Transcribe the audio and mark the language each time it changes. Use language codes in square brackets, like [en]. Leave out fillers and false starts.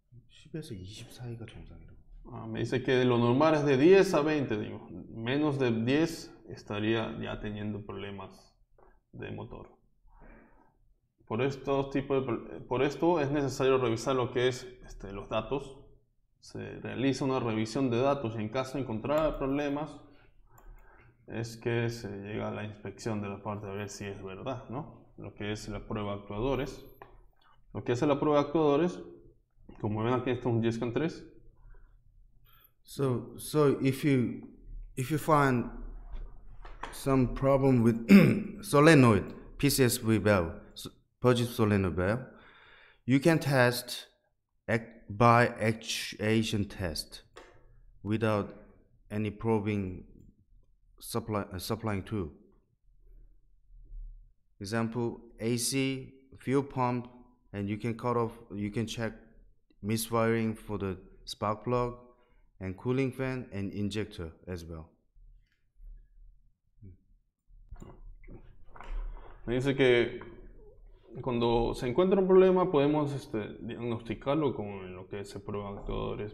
[ko] 10에서 20 사이가 정상이라고. [es] Me dice que lo normal es de 10 a 20, digo. Menos de 10 estaría ya teniendo problemas de motor. Por esto es necesario revisar lo que es los datos. Se realiza una revisión de datos y en caso de encontrar problemas es que se llega a la inspección de la parte a ver si es verdad, ¿no? Lo que es la prueba de actuadores. Lo que hace la prueba de actuadores, como ven aquí, está un 10.3. [en] So if you find some problem with solenoid PCSV valve, purge solenoid valve, you can test by actuation test without any probing supplying tool. Example AC fuel pump. And you can cut off, you can check misfiring for the spark plug and cooling fan and injector as well. [es] Me dice que cuando se encuentra un problema podemos diagnosticarlo con lo que se prueba actuadores.